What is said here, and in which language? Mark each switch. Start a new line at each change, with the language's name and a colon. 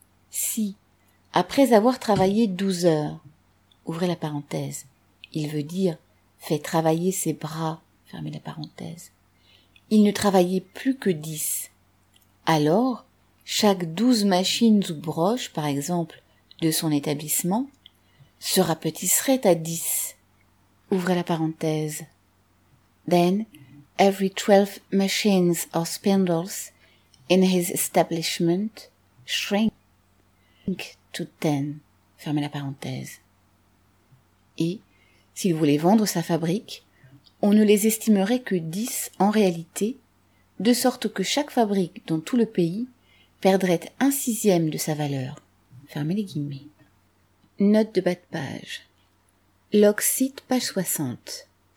French: Si, après avoir travaillé 12 heures, ouvrez la parenthèse, il veut dire « fait travailler ses bras », fermez la parenthèse, il ne travaillait plus que 10, alors chaque 12 machines ou broches, par exemple, de son établissement, se rapetisserait à 10. Ouvrez la parenthèse.
English: Then, every 12 machines or spindles in his establishment shrink to 10. Fermez la parenthèse.
French: et, s'il voulait vendre sa fabrique, on ne les estimerait que 10 en réalité, de sorte que chaque fabrique dans tout le pays perdrait 1/6 de sa valeur. Fermez les guillemets. Note de bas de page. Locke cite page 60.